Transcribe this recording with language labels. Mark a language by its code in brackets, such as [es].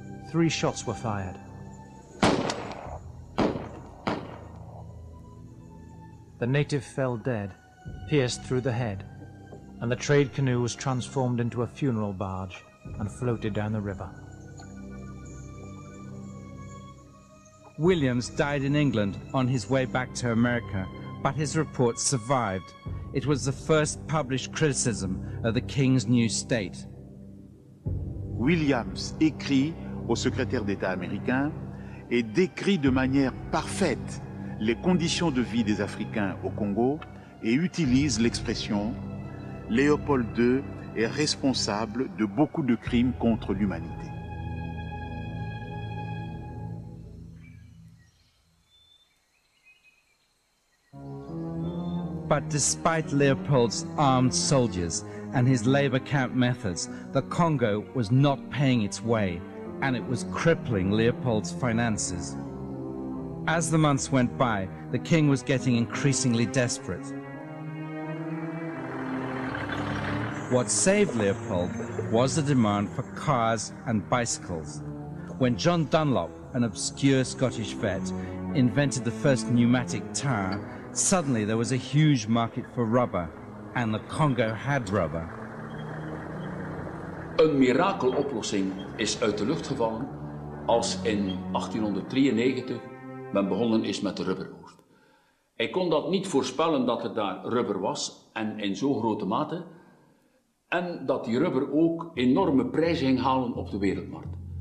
[en] Three shots were fired. The native fell dead, pierced through the head, and the trade canoe was transformed into a funeral barge and floated down the river. Williams died in England on his way back to America, but his report survived. It was the first published criticism of the King's new state. [fr] Williams écrit au secrétaire d'État américain et décrit de manière parfaite les conditions de vie des Africains au Congo et utilise l'expression « Léopold II est responsable de beaucoup de crimes contre l'humanité ». [en] But despite Leopold's armed soldiers and his labor camp methods, the Congo was not paying its way, and it was crippling Leopold's finances. As the months went by, the king was getting increasingly desperate. What saved Leopold was the demand for cars and bicycles. When John Dunlop, an obscure Scottish vet, invented the first pneumatic tire, suddenly there was a huge market for rubber, and the Congo had rubber. [nl] Een mirakeloplossing is uit de lucht gevallen als in 1893 men begonnen is met de rubberoogst. Hij kon dat niet voorspellen dat er daar rubber was en in zo grote mate en dat die rubber ook enorme prijzen ging halen op de wereldmarkt.